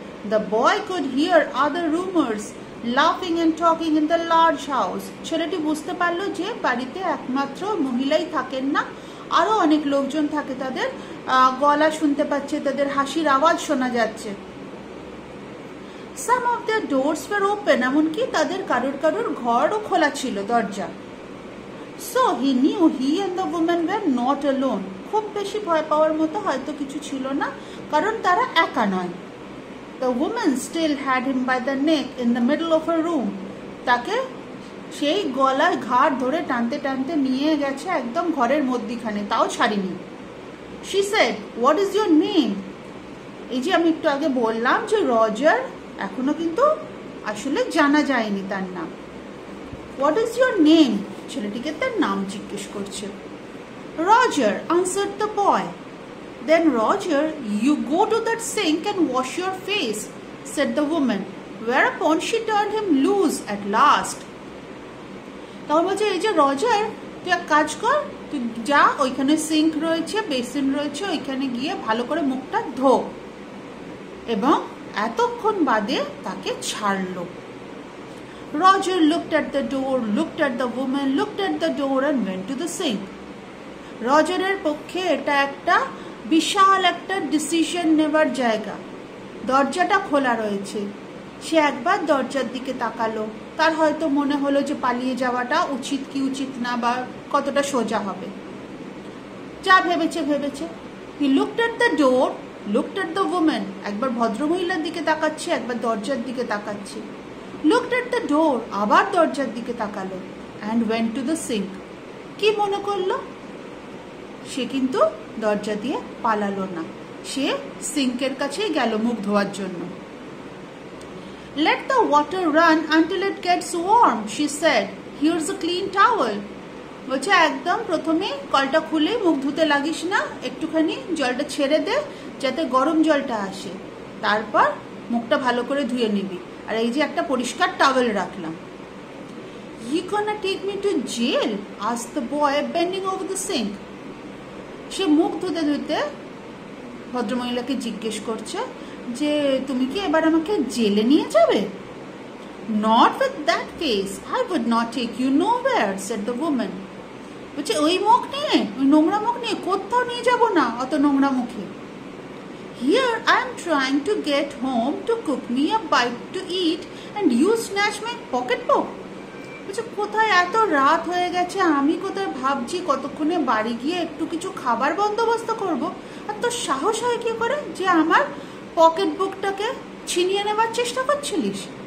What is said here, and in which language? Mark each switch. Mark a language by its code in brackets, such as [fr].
[en] the boy could hear other rumours লাফিং and talking in the large house, [bn] ছেলেটি বুঝতে পারলো যে বাড়িতে একমাত্র মহিলাই থাকেন না, আরও অনেক লোকজন থাকে, তাদের গলা শুনতে পাচ্ছে, তাদের হাসির আওয়াজ শোনা যাচ্ছে। [en] some of the doors were open, [bn] এমনকি তাদের কারোর কারোর ঘরও খোলা ছিল দরজা। [en] so he knew he and the woman were not alone, [bn] খুব বেশি ভয় পাওয়ার মতো হয়তো কিছু ছিল না, কারণ তারা একা নয়। [en] The woman still had him by the neck in the middle of her room. [bn] তাকে সেই গলায় ঘাড় ধরে টানতে টানতে নিয়ে গেছে একদম ঘরের মধ্যিখানে, তাও ছাড়িনি। [en] She said, what is your name? [bn] এই যে আমি একটু আগে বললাম যে রজার, এখনো কিন্তু আসলে জানা যায়নি তার নাম। [en] What is your name? [bn] ছেলেটিকে তার নাম জিজ্ঞেস করছে। [en] Roger, answered the boy. Then Roger, you go to that sink and wash your face, said the woman, whereupon she turned him loose at last. [bn] তখন বলছে, এই যে রজার, তুই এক কাজ কর, তুই যা, ওইখানে সিঙ্ক রয়েছে, বেসিন রয়েছে, ওইখানে গিয়ে ভালো করে মুখটা ধো, এবং এতক্ষণ বাদে তাকে ছাড়লো। [en] Roger looked at the door, looked at the woman, looked at the door and went to the sink. [bn] রজারের পক্ষে এটা একটা বিশাল একটা ডিসিশন নেবার জায়গা, দরজাটা খোলা রয়েছে, সে একবার দরজার দিকে তাকালো, তার হয়তো মনে হলো যে পালিয়ে যাওয়াটা উচিত কি উচিত না, বা কতটা সোজা হবে, যা ভেবেছে ভেবেছে। [en] he looked at the door, looked at the woman, [bn] একবার ভদ্রমহিলার দিকে তাকাচ্ছে, একবার দরজার দিকে তাকাচ্ছে, [en] looked at the door, [bn] আবার দরজার দিকে তাকালো, [en] and went to the sink, [bn] কি মনে করলো, সে কিন্তু দরজা দিয়ে পালালো না, সে সিঙ্কের কাছেই গেল মুখ ধোয়ার জন্য। [en] Let the water run until it gets warm, she said. Here's a clean towel. [bn] বলছে, একদম প্রথমে কলটা খুলে মুখ ধুতে লাগিস না, একটুখানি জলটা ছেড়ে দে যাতে গরম জলটা আসে, তারপর মুখটা ভালো করে ধুয়ে নিবি, আর এই যে একটা পরিষ্কার টাওয়েল রাখলাম। [en] You gonna take me to jail? asked the boy, bending over the sink. [bn] সে মুখ ধুতে ধুতে ভদ্রমহিলাকে জিজ্ঞেস করছে যে তুমি কি এবার আমাকে জেলে নিয়ে যাবে? [en] Not with that face. I would not take you nowhere, said the woman. [bn] বলছে ওই মুখ নিয়ে, ওই নোংরা মুখ নিয়ে কোথাও নিয়ে যাব না অত নোংরা মুখে। [en] Here I am trying to get home to cook me a bite to eat and you snatch my pocketbook. [bn] বলছে কোথায়, এত রাত হয়ে গেছে, আমি কোথায় ভাবছি কতক্ষণে বাড়ি গিয়ে একটু কিছু খাবার বন্দোবস্ত করব, আর তোর সাহস হয় কী করে যে আমার পকেট বুকটাকে ছিনিয়ে নেওয়ার চেষ্টা করছিলিস?